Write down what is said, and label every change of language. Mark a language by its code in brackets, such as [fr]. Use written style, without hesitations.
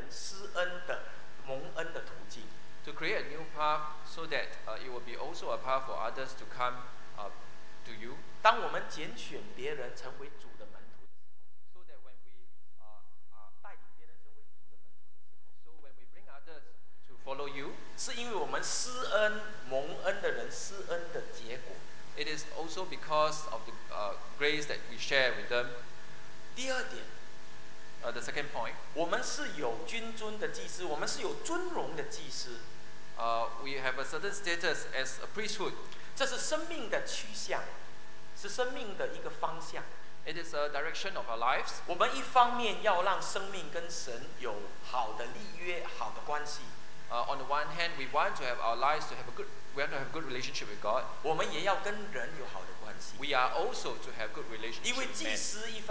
[zh] 让我们的生命有的新的路途，是成为别人施恩的、蒙恩的途径。 [en] To create a new path so that it will be also a path for others to come to you. [zh] 当我们拣选别人成为主的门徒的时候， [en] so that when we [zh] 带领别人成为主的门徒的时候， [en] so when we bring others to follow you. [zh] 是因为我们施恩蒙恩的人施恩的结果。 [en] It is also because of the grace that we share with them. [zh] 第二点, [en] the second point. [zh] 我们是有君尊的祭司，我们是有尊荣的祭司。 [en] We have a certain status as a priesthood. [zh] 这是生命的趋向，是生命的一个方向。 [en] It is a direction of our lives. [zh] 我们一方面要让生命跟神有好的立约，好的关系。 [en] On the one hand, we want to have our lives to have a good, we want to have a good relationship with God. [zh] 我们也要跟人有好的关系。 [en] We are also to have good relationship with